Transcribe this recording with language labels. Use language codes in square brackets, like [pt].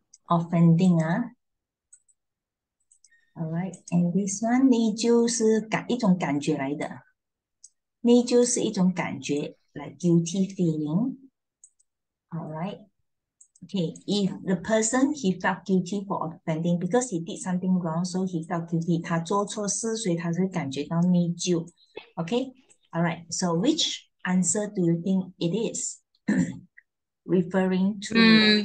[zh] Offending 啊， [en] Alright, and this one [zh] 内疚是一种感觉来的，内疚是一种感觉， [en] like guilty feeling. Alright, Okay, if the person he felt guilty for offending because he did something wrong, so he felt guilty. [zh] 他做错事，所以他会感觉到内疚. [en] Okay, all right. So which answer do you think it is referring to?